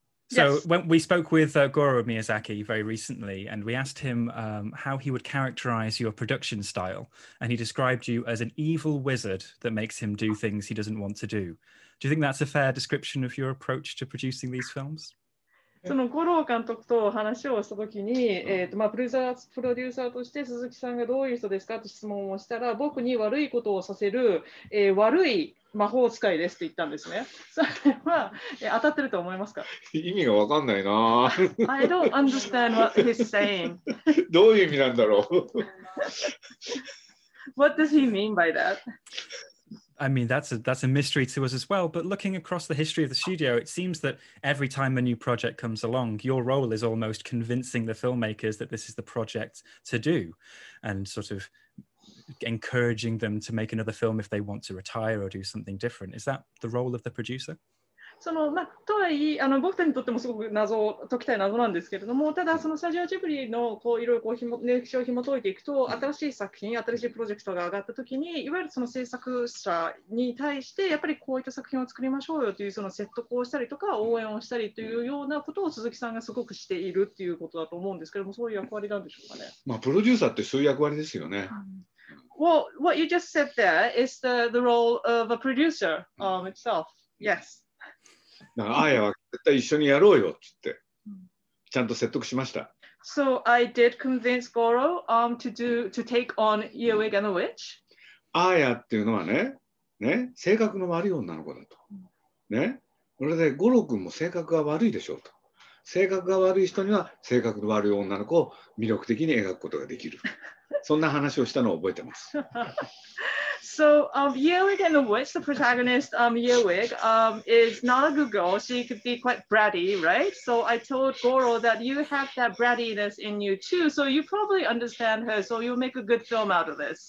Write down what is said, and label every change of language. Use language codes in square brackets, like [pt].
[en] So yes. When we spoke with Gorō Miyazaki very recently, and we asked him how he would characterize your production style, and he described you as an evil wizard that makes him do things he doesn't want to do. Do you think that's a fair description of your approach to producing these films? [ja] その五郎監督と話をしたときに、まあプロデューサーとして鈴木さんがどういう人ですかと質問をしたら、僕に悪いことをさせる、悪い魔法使いですって言ったんですね。それは当たってると思いますか？意味がわかんないな。 [en] I don't understand what he's saying. [ja] どういう意味なんだろう [en] ？What does he mean by that? I mean, that's a mystery to us as well. But looking across the history of the studio, it seems that every time a new project comes along, your role is almost convincing the filmmakers that this is the project to do and sort of encouraging them to make another film if they want to retire or do something different. Is that the role of the producer? [ja] そのまあ、とはいえ僕たちにとってもすごく謎を解きたい謎なんですけれども、ただそのスタジオジブリのこういろいろ歴史を紐解いていくと、新しい作品、新しいプロジェクトが上がった時に、いわゆるその制作者に対してやっぱりこういった作品を作りましょうよというその説得をしたりとか応援をしたりというようなことを鈴木さんがすごくしているっていうことだと思うんですけども、そういう役割なんでしょうかね。まあプロデューサーってそういう役割ですよね。 [en] Well, what you just said there is the role of a producer itself. Yes. [ja] なんかアーヤは絶対一緒にやろうよって言ってちゃんと説得しました。 [en] So I did convince Gorō to take on Earwig and the Witch. [ja] アーヤっていうのはね、ね、性格の悪い女の子だと、ね、それでゴロ君も性格が悪いでしょうと、性格が悪い人には性格の悪い女の子を魅力的に描くことができる、そんな話をしたのを覚えてます [en] So, Earwig and the Witch, the protagonist, Earwig, is not a good girl. She could be quite bratty, right? So I told Gorō that you have that brattiness in you too. So you probably understand her. So you'll make a good film out of this.